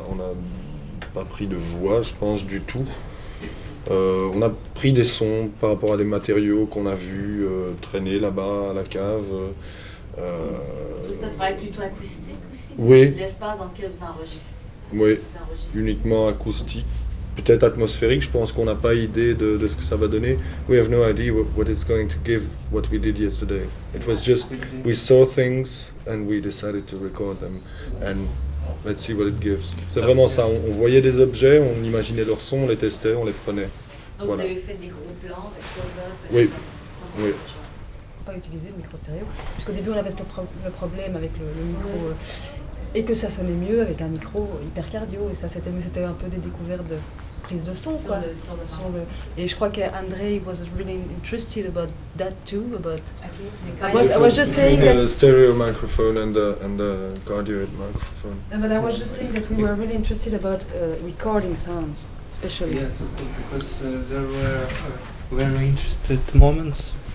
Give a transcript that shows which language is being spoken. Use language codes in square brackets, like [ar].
[fr] On n'a pas pris de voix, je pense, du tout. On a pris des sons par rapport à des matériaux qu'on a vus traîner là-bas à la cave. Tout ça travaille plutôt acoustique aussi. Oui. L'espace dans lequel vous enregistrez. Oui. Uniquement acoustique, peut-être atmosphérique. Je pense qu'on n'a pas idée de ce que ça va donner. [en] We have no idea what it's going to give. What we did yesterday. It was just we saw things and we decided to record them and let's see what it gives. [fr] C'est vraiment ça. On voyait des objets, on imaginait leurs sons, on les testait, on les prenait. Donc voilà. Vous avez fait des gros plans, des close-up. Oui. Ça, sans oui. Pas utiliser le micro stéréo. Parce qu'au début, on avait le problème avec le micro et que ça sonnait mieux avec un micro hyper cardio. Et ça, c'était un peu des découvertes de prise de son, quoi. Sur le. Et je crois qu'André [en] was really interested about that too. About. Okay. I was just saying. The stereo microphone and the cardioid microphone. No, but I was just saying that we were really interested about recording sounds, especially. Yes, because there were very interested moments.